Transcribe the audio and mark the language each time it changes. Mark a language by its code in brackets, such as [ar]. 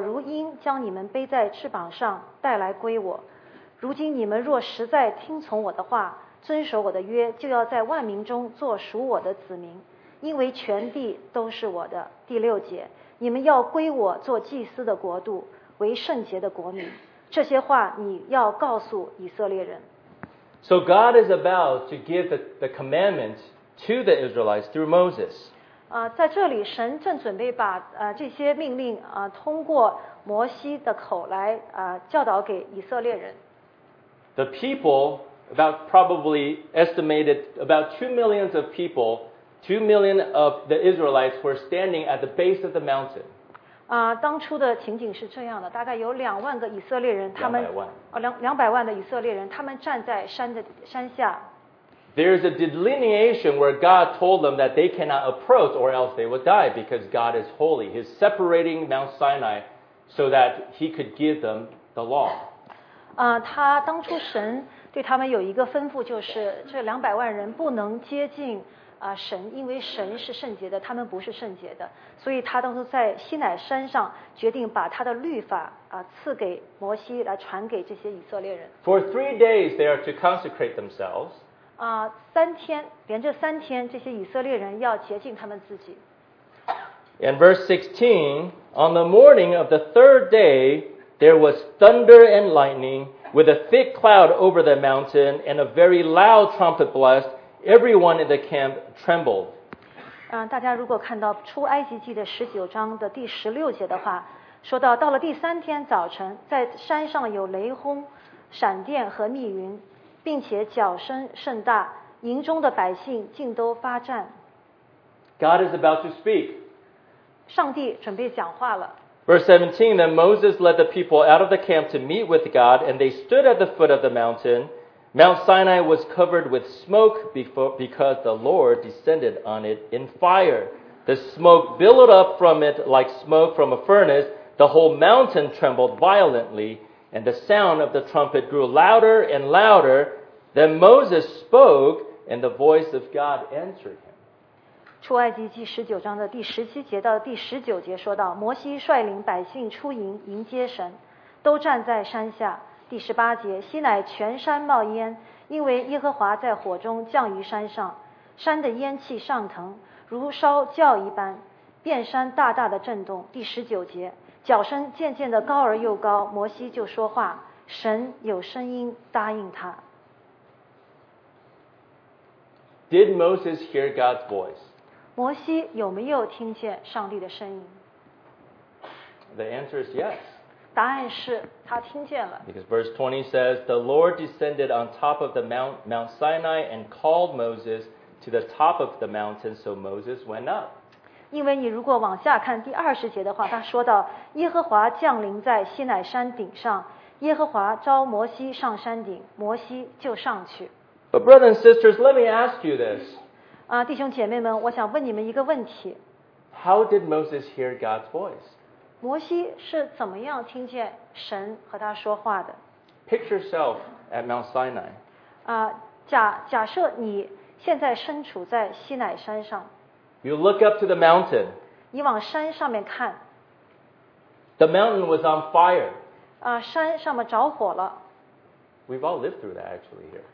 [zh] 以色列人出埃及地以后满了三个月的那一天，就来到西乃的旷野。第二节，他们离了利非丁，来到西乃的旷野，就在那里的山下安营。摩西到神那里，耶和华从山上呼唤他说：“你要这样告诉雅各家，小于以色列人说。”第四节，我向埃及人所行的事，你们都看见了，且看见我如鹰将你们背在翅膀上带来归我。如今你们若实在听从我的话，遵守我的约，就要在万民中做属我的子民，因为全地都是我的。第六节，你们要归我做祭司的国度，为圣洁的国民。这些话你要告诉以色列人。 [en] So God is about to give the commandment to the Israelites through Moses. [zh] 在这里，神正准备把这些命令通过摩西的口来教导给以色列人。 [en] The people, about probably estimated about 2 million of people, 2 million of the Israelites were standing at the base of the mountain. [zh] 当初的情景是这样的，大概有两万个以色列人，他们两百万的以色列人，他们站在山下。 [en] There is a delineation where God told them that they cannot approach, or else they would die, because God is holy. He's separating Mount Sinai so that He could give them the law. [zh] 他当初神对他们有一个吩咐，就是这两百万人不能接近。神，因为神是圣洁的，他们不是圣洁的，所以他当初在西乃山上决定把他的律法赐给摩西，来传给这些以色列人。 [en] For 3 days they are to consecrate themselves. [zh] 三天，连着三天，这些以色列人要洁净他们自己。 [en] And verse 16, on the morning of the third day, there was thunder and lightning with a thick cloud over the mountain and a very loud trumpet blast. Everyone in the camp trembled. [zh] 大家如果看到出埃及记的十九章的第十六节的话，说到了第三天早晨，在山上有雷轰、闪电和密云，并且脚声甚大，营中的百姓竟都发战。 [en] God is about to speak. [zh] 上帝准备讲话了。 [en] Verse 17, then Moses led the people out of the camp to meet with God, and they stood at the foot of the mountain. Mount Sinai was covered with smoke because the Lord descended on it in fire. The smoke billowed up from it like smoke from a furnace. The whole mountain trembled violently, and the sound of the trumpet grew louder and louder. Then Moses spoke, and the voice of God answered him. [zh] 出埃及记十九章的第十七节到第十九节说到，摩西率领百姓出营迎接神，都站在山下。第十八节，西乃全山冒烟，因为耶和华在火中降于山上，山的烟气上腾，如烧窖一般，遍山大大的震动。第十九节，脚声渐渐的高而又高，摩西就说话，神有声音答应他。 [en] Did Moses hear God's voice? [zh] 摩西有没有听见上帝的声音？ [en] The answer is yes. [zh] 答案是他听见了。 [en] Because verse 20 says, The Lord descended on top of the Mount Sinai and called Moses to the top of the mountain, so Moses went up. [zh] 因为你如果往下看第二十节的话，他说到耶和华降临在西乃山顶上，耶和华召摩西上山顶，摩西就上去。 [en] But brothers and sisters, let me ask you this. [zh] 弟兄姐妹们，我想问你们一个问题。 [en] How did Moses hear God's voice? [zh] 摩西是怎么样听见神和他说话的？ [en] Picture yourself at Mount Sinai. [zh] 假设你现在身处在西乃山上。 [en] You look up to the mountain. [zh] 你往山上面看。 [en] The mountain was on fire. [zh] 山上面着火了。 [en] We've all lived through that actually here.